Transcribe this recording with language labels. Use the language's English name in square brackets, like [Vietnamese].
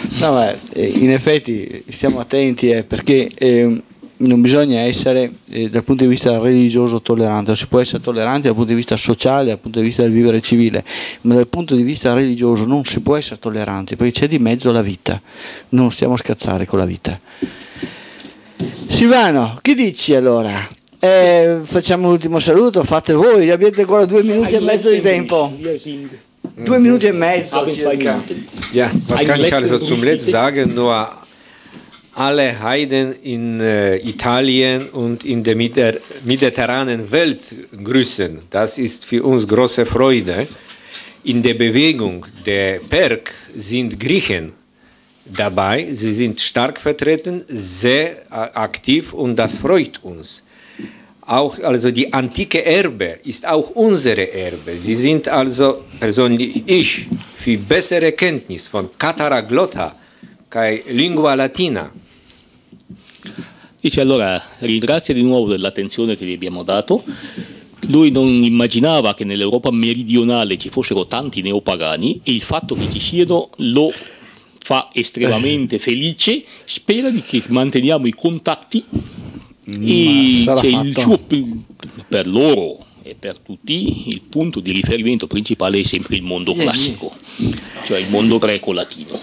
[Italian] No, ma in effetti stiamo attenti, perché non bisogna essere dal punto di vista religioso tollerante, si può essere tolleranti dal punto di vista sociale, dal punto di vista del vivere civile, ma dal punto di vista religioso non si può essere tolleranti, perché c'è di mezzo la vita, non stiamo a scherzare con la vita. Silvano, che dici allora? Facciamo l'ultimo saluto, fate voi, avete ancora 2 minuti e mezzo di tempo. 2 minuti e mezzo circa. [German] Ja, was kann ich also zum Letzten sagen? Nur alle Heiden in Italien und in der mediterranen Welt grüßen. Das ist für uns große Freude. In der Bewegung der PERG sind Griechen dabei. Sie sind stark vertreten, sehr aktiv und das freut uns. Auch also die antike Erbe ist auch unsere Erbe. Wir sind also, persönlich ich, für bessere Kenntnis von Catara Glotta kai Lingua Latina. [Italian] Dice allora, ringrazio di nuovo dell'attenzione che vi abbiamo dato. Lui non immaginava che nell'Europa meridionale ci fossero tanti neopagani e il fatto che ci siano lo fa estremamente felice. Spera di che manteniamo i contatti. E c'è il suo, per loro e per tutti, il punto di riferimento principale è sempre il mondo classico, cioè il mondo greco-latino.